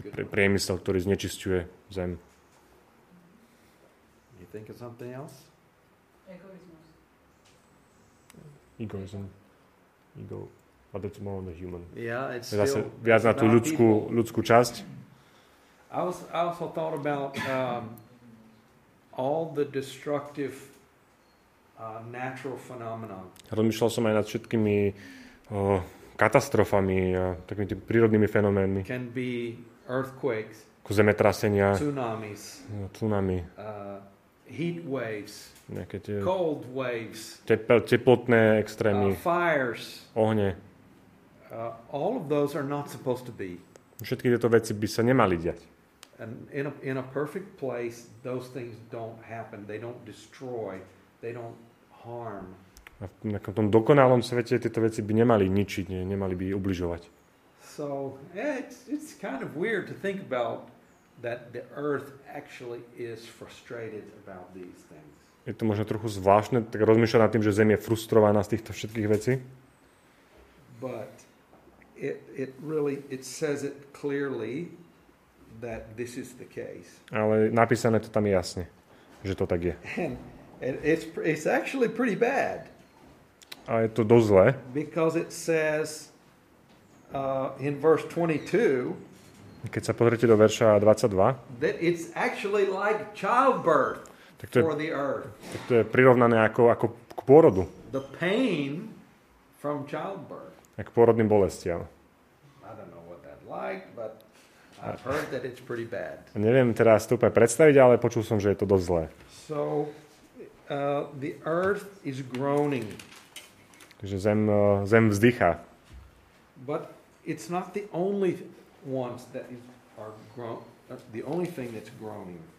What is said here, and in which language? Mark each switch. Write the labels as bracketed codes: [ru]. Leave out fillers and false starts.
[sk] Priemysel, ktorý znečisťuje zem. [en] You think of something else? Egoism. But that's more on the human. Yeah, it's [sk] zase [en] still [sk] viac na tú ľudskú časť. [en] I also thought about all the destructive natural phenomena. [sk] Rozmýšľal som aj nad všetkými katastrofami, takými tými prírodnými fenoménmi. [en] Can be earthquakes. [sk] Zemetrasenia. [en] Tsunamis. [sk] Tsunami. [en] Heat waves. [sk] Nejaké tie [en] cold waves. [sk] Teplotné extrémy. [en] Fires. [sk] Ohne. [en] All of those are not supposed to be. [sk] Všetky tieto veci by sa nemali diať. [en] And in a perfect place those things don't happen. They don't destroy. They don't harm. [sk] A v tom dokonalom svete tieto veci by nemali ničiť, nemali by ubližovať. [en] So, it's kind of weird to think about that the earth actually is frustrated about these things. [sk] Je to možno trochu zvláštne tak rozmýšľať nad tým, že Zem je frustrovaná z týchto všetkých vecí. [en] But it says it clearly that this is the case. [sk] Ale napísané to tam je jasne, že to tak je. [en] And it's actually pretty bad. [sk] A je to dosť zlé. [en] Because it says in verse 22, [sk] keď sa pozriete do verša 22, [en] that it's actually like childbirth. [sk] Tak to je prirovnané ako k pôrodu. [en] The pain from childbirth. [sk] K pôrodným bolestiam. [en] I don't know what that like, but I've heard that it's pretty bad. [sk] Neviem teraz to úplne predstaviť, ale počul som, že je to dosť zlé. [en] So the earth is groaning. [sk] Takže zem vzdychá. [en] But it's not the only ones that are the only thing that's groaning.